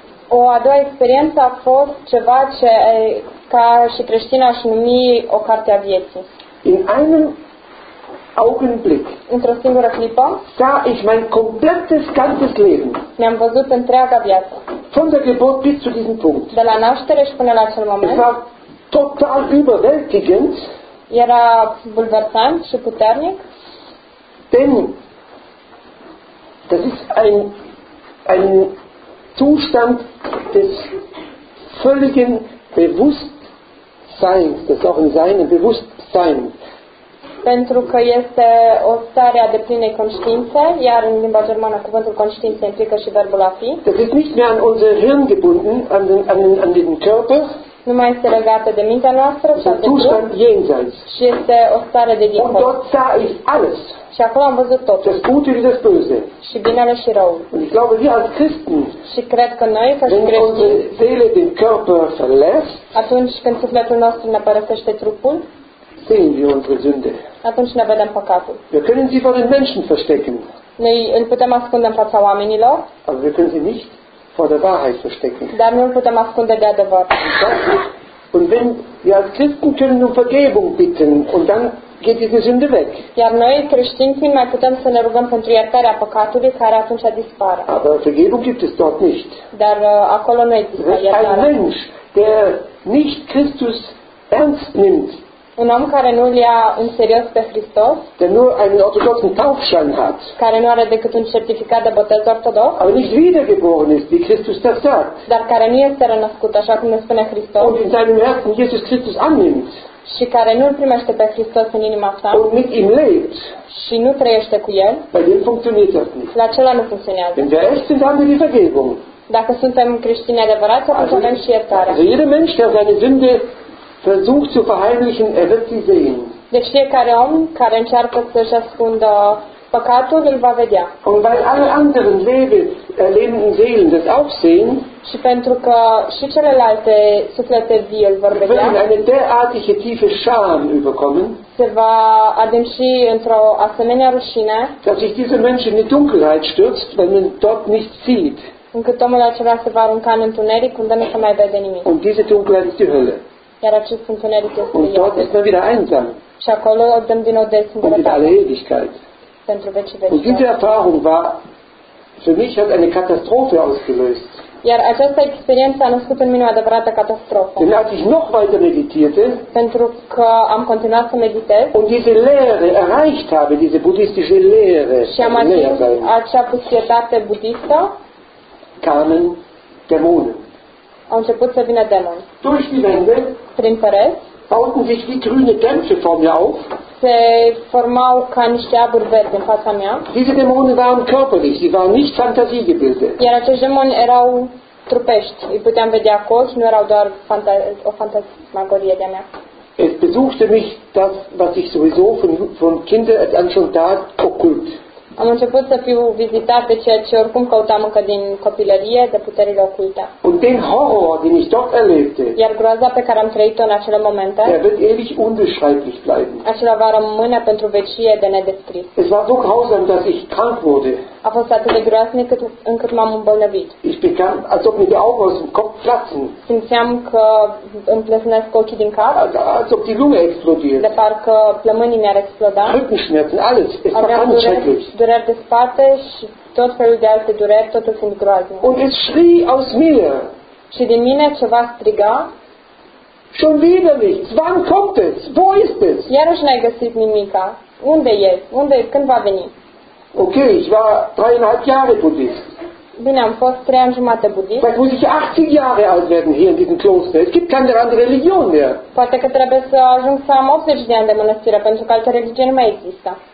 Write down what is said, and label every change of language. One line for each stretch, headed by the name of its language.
Romanian: O a doua experiență a fost ceva ce ca și creștin aș numi o carte a vieții.
German: In einem Augenblick.
Romanian: Într-o singură clipă.
German: Sah ich mein komplettes ganzes Leben.
Romanian: Mi-am văzut întreaga viață.
German: Von der Geburt bis zu diesem Punkt.
Romanian: De la naștere și până la acel moment.
German: Es war total überwältigend.
Romanian: Era bulversant și puternic.
German: Denn das ist ein Zustand des völligen Bewusstseins, des auch in seinem Bewusstsein.
Romanian: Pentru că este o stare a deplinei conștiințe, iar în limba germană cuvântul conștiință implică și verbul a fi.
German: Das ist nicht mehr an unser Hirn gebunden, an den Körper.
Romanian: Nu mai este legată de mintea noastră, ci de
German: Zustand jenseits.
Romanian: Și este o stare de dincolo.
German: Und dort sah ich alles.
Romanian: Și acolo am văzut tot.
German: Das Gute wie das Böse.
Romanian: Și binele și rău.
German: Und ich glaube, wir als Christen,
Romanian: și cred că noi, ca și creștini,
German: wenn unsere Seele den Körper verlässt,
Romanian: atunci când sufletul nostru ne părăsește trupul,
German: sehen wir unsere Sünde.
Romanian: Atunci ne vedem păcatul.
German: Wir können sie vor den Menschen verstecken.
Romanian: Noi îl putem ascunde în fața oamenilor.
German: Aber wir können sie nicht vor der Wahrheit verstecken.
Romanian: Dar nu îl putem ascunde de adevăr.
German: Und wenn wir als Christen können um Vergebung bitten und dann geht diese Sünde weg.
Romanian: Iar noi creștinii mai putem să ne rugăm pentru iertarea păcatului care atunci dispare.
German: Aber Vergebung gibt es dort nicht.
Romanian: Dar acolo nu există iertare.
German: Ein Mensch, der nicht Christus ernst nimmt.
Romanian: Un om care nu ia în serios pe Hristos,
German: der nur einen orthodoxen Taufschein hat,
Romanian: care nu are decât un certificat de botez ortodox,
German: aber nicht wiedergeboren ist, wie Christus das sagt,
Romanian: dar care nu este renăscut, așa cum ne spune Hristos,
German: und in seinem Herzen Jesus Christus annimmt,
Romanian: și care nu îl primește pe Hristos în inima sa,
German: und mit ihm lebt,
Romanian: și nu trăiește cu el,
German: bei dem funktioniert das nicht.
Romanian: La acela nu funcționează.
German: Denn wir echt sind, haben wir die Vergebung.
Romanian: Dacă suntem creștini adevărați, atunci avem și iertare.
German: Also jeder Mensch, der seine Sünde versucht zu verheimlichen, er wird sie sehen.
Romanian: Deci fiecare om care încearcă să-și ascundă păcatul, îl va vedea.
German: Und weil alle anderen lebenden Seelen das auch sehen,
Romanian: și pentru că și celelalte suflete vii îl vor vedea,
German: wird eine derartige tiefe Scham überkommen,
Romanian: se va adânci într-o asemenea rușine,
German: dass sich diese Menschen in die Dunkelheit stürzt, wenn man dort nicht sieht.
Romanian: Încât omul acela se va arunca în întuneric, unde nu se mai vede nimic.
German: Und diese Dunkelheit ist die Hölle.
Romanian: Iar acest funcționeric este
German: Und dort ist man wieder einsam.
Romanian: Și acolo dăm din nou de singurătate.
German: Und in alle Ewigkeit. Und diese Erfahrung war, für mich hat eine Katastrophe ausgelöst.
Romanian: Iar această experiență a născut în mine o adevărată catastrofă.
German: Denn als ich noch weiter meditierte,
Romanian: pentru că am continuat să meditez,
German: und diese Lehre erreicht habe, diese buddhistische Lehre,
Romanian: și am ajuns acea puțietate budistă,
German: kamen Dämonen.
Romanian: Au început să vină demoni.
German: Durch die Wände,
Romanian: prin pereți,
German: bauten sich wie grüne Dämpfe vor mir auf.
Romanian: Se formau ca niște aburi verzi în fața mea.
German: Diese Dämonen waren körperlich, sie waren nicht Fantasiegebilde.
Romanian: Iar acești demoni erau trupești, îi puteam vedea acolo, nu erau doar o fantasmagorie de-a mea.
German: Es besuchte mich das, was ich sowieso von Kindheit an schon da occult.
Romanian: Am început să fiu vizitat de ceea ce oricum căutam încă din copilărie, de puterile oculte.
German: Und den Horror, den ich dort erlebte,
Romanian: iar groaza pe care am trăit-o în acele momente,
German: der wird ewig unbeschreiblich bleiben.
Romanian: Acela va rămâne pentru vecie de nedescris.
German: Es war so grausam, dass ich krank wurde.
Romanian: A fost atât de groaznic încât m-am îmbolnăvit.
German: Ich bekam, als ob mir die Augen aus dem Kopf platzen.
Romanian: Simțeam că îmi plesnesc ochii din cap.
German: Als ob die Lunge explodiert.
Romanian: De parcă plămânii mi-ar exploda.
German: Rückenschmerzen, alles. Es war ganz schrecklich.
Romanian: Dureri de spate și tot felul de alte dureri, totul fiind groaznic.
German: Und es schrie aus mir.
Romanian: Și din mine ceva striga.
German: Schon wieder nichts. Wann kommt es? Wo ist es?
Romanian: Iarăși n-ai găsit nimica. Unde e? Unde e? Când va veni?
German: Okay, ich war 3,5 Jahre Buddhist.
Romanian: Bine, am fost 3 ani jumate budist.
German: Vielleicht muss ich 80 Jahre alt werden hier in diesem Kloster. Es gibt keine andere Religion mehr.
Romanian: Poate că trebuie să ajung să am 80 de ani de mănăstire, pentru că altă religie nu mai există.